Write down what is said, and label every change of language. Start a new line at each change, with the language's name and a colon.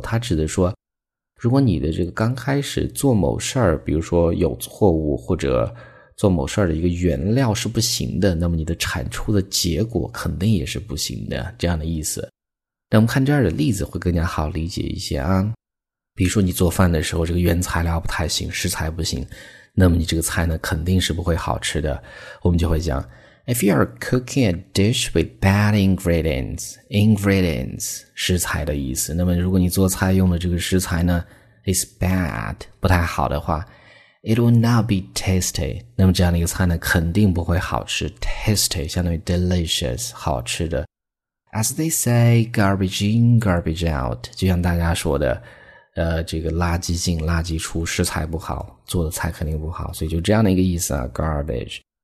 Chinese: 它指的说如果你的这个刚开始做某事儿，比如说有错误或者做某事儿的一个原料是不行的，那么你的产出的结果肯定也是不行的，这样的意思。那我们看这儿的例子会更加好理解一些啊。比如说你做饭的时候这个原材料不太行，食材不行，那么你这个菜呢肯定是不会好吃的。我们就会讲
English: If you are cooking a dish with bad ingredients,
Chinese: 食材的意思。那么如果你做菜用的这个食材呢
English: is bad,
Chinese: 不太好的话，
English: it will not be tasty.
Chinese: 那么这样的一个菜呢肯定不会好吃， tasty 相当于 delicious, 好吃的。
English: As they say, garbage in, garbage out,
Chinese: 就像大家说的这个垃圾进垃圾出，食材不好做的菜肯定不好，所以就这样的一个意思啊， garbage。